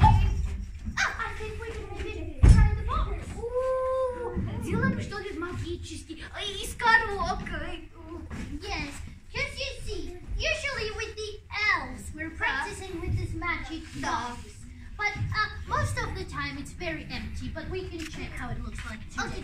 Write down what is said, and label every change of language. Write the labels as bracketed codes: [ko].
[en] Oh, I think we can maybe try the bombs. [ru] Делаем что-то магически. Из коробки. [en] Yes. Because you see, usually with the elves, we're practicing with this magic box. But most of the time, it's very empty. But we can check how it looks like today.